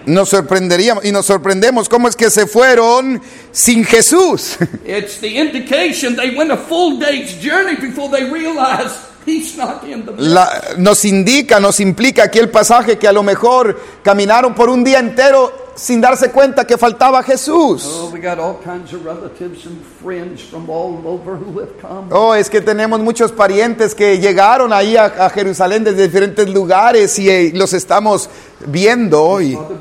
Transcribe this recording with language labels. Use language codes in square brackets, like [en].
[es] Nos sorprenderíamos y nos sorprendemos cómo es que se fueron sin Jesús. [en] It's the indication they went a full day's journey before they realized he's not in the midst. [es] Nos implica aquí el pasaje que a lo mejor caminaron por un día entero sin darse cuenta que faltaba Jesús. [en] Oh, we got all kinds of relatives and friends from all over who have come. [es] Oh, es que tenemos muchos parientes que llegaron ahí a Jerusalén desde diferentes lugares y los estamos viendo hoy.